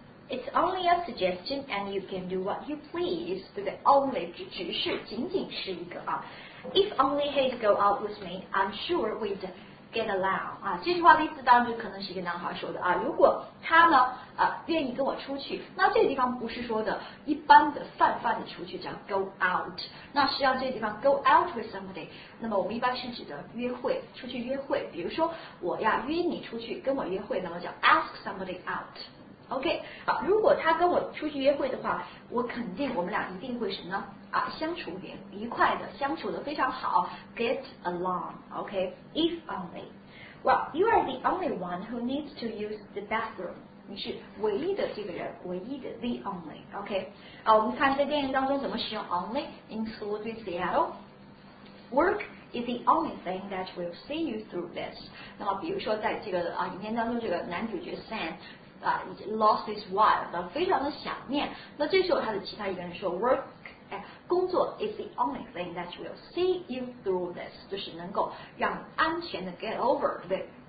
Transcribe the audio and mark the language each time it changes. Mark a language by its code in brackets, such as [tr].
[en] It's only a suggestion, and you can do what you please. [zh] 对不对 ？Only 只是仅仅是一个啊。 [en] If only he'd go out with me, I'm sure we'd get along. [zh] 啊，这句话的意思当中可能是一个男孩说的啊。如果他呢愿意跟我出去，那这个地方不是说的一般的泛泛的出去叫 go out。那实际上这个地方 go out with somebody， 那么我们一般是指的约会，出去约会。比如说我要约你出去跟我约会，那么叫 ask somebody out。 OK， 好，如果他跟我出去约会的话，我肯定我们俩一定会什么呢？啊，相处愉快的，相处的非常好 ，get along。 [en] OK， if only， well， you are the only one who needs to use the bathroom。 [zh] 你是唯一的这个人，唯一的 the only。OK， 啊，我们看在电影当中怎么使用 [en] only in school in Seattle。 Work is the only thing that will see you through this。 [zh] 那么比如说在这个啊影片当中，这个男主角 Sam。 [en] Lost his wife， [zh] 非常的想念。那这时候他的其他一个人说 ，work， 哎，工作 [en] is the only thing that will see you through this， [zh] 就是能够让你安全的 get over， 对不对？